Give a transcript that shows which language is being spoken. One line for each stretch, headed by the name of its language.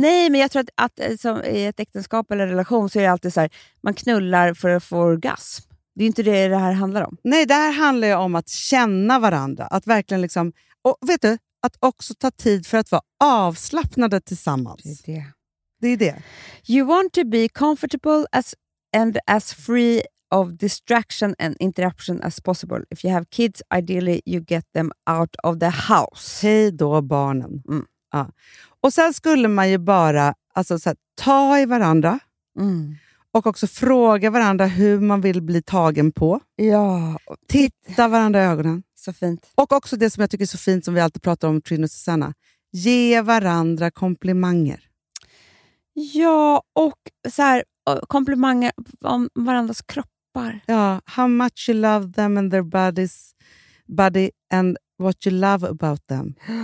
Swedish: Nej, men jag tror att som i ett äktenskap eller relation så är det alltid så här, man knullar för att få orgasm. Det är inte det här handlar om. Nej, det här handlar ju om att känna varandra, att verkligen liksom, och vet du, att också ta tid för att vara avslappnade tillsammans. Det är det.
English: You want to be comfortable as and as free of distraction and interruption as possible. If you have kids, ideally you get them out of the house.
Swedish: Hej då barnen. Mm. Ja. Och sen skulle man ju bara, alltså, så här, ta i varandra. Mm. Och också fråga varandra hur man vill bli tagen på. Ja. Titta varandra i ögonen. Så fint. Och också det som jag tycker är så fint som vi alltid pratar om, Trin och Susanna. Ge varandra komplimanger. Ja, och så här, komplimanger om varandras kroppar.
English: Ja, how much you love them and their bodies, body and what you love about them.